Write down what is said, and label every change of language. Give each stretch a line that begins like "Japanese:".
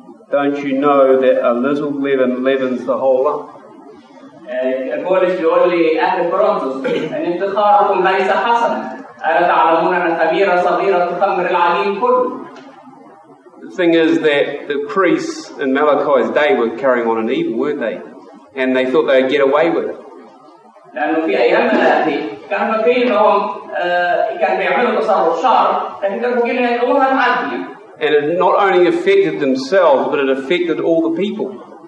English: Don't you know that a little leaven leavens the whole lump?
Arabic: بولس يقول لي أهل كورنثوس أن افتخاركم ليس حسنا، ألا تعلمون أن خميرة صغيرة تخمر العجين كله؟
English: The thing is that the priests in Malachi's day were carrying on an evil, weren't they? And they thought they'd get away with it.
Arabic: لأنه في أيام كان فيهم كان بيعملوا تصرف شر، لكن كانوا يقولون أن عدل.
English: And it not only affected themselves, but it affected all the people.